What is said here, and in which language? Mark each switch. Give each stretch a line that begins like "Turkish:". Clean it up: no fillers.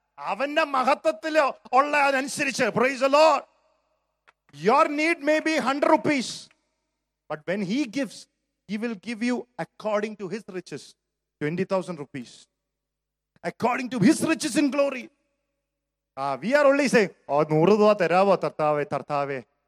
Malayalam: അവന്റെ മഹത്വത്തിലോ ഉള്ള അതനുസരിച്ച്.
English: Praise the Lord. Your need may be 100 rupees, but when he gives, he will give you according to his riches, 20,000 rupees, according to his riches in glory. We are only saying,
Malayalam: 100 രൂപ തരാവോ തർത്താവേ, തർത്താവേ.